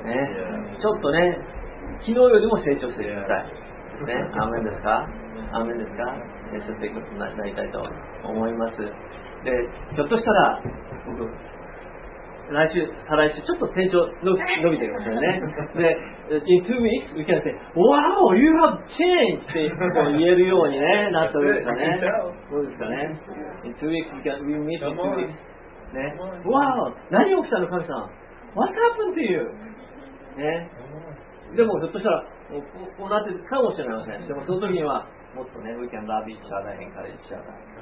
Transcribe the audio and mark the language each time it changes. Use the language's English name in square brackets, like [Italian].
[Japanese] ね、ちょっとね、昨日よりも成長していきたいですね。アーメンですか？アーメンですか？ね、そういうことになりたいと思います。で、ひょっとしたら僕来週、再来週、ちょっと成長伸びてきましたね。 [English] で、in two weeks, we can say, Wow, you have changed! [Japanese] って言えるようにね、なったんですかね。そうですかね。 [English] in two weeks, we meet in two weeks.、 [Japanese] ね、Wow, 何起きたの、神さん ? [English] What happened to you?、 [Japanese] ね、でも、ひょっとしたら、もうこうなってるかもしれません。でも、その時には、もっとね、 [English] we can love each other and encourage each other.